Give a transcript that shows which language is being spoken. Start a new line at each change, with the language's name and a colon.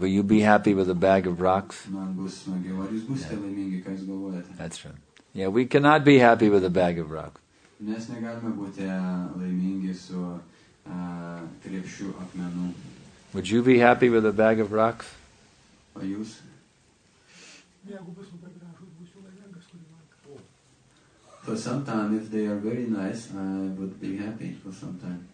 English: Will you be happy with a bag of rocks? Yeah. That's right. Yeah, we cannot be happy with a bag of rocks.
Lithuanian: Mes negalime būti laimingi su krepšiu akmenų.
English: Would you be happy with a bag of rocks?
Lithuanian: O jūs? Jeigu bus labai gražus, būsiu laimingas, kurį man kapo.
English: For some time, if they are very nice, I would be happy for some time.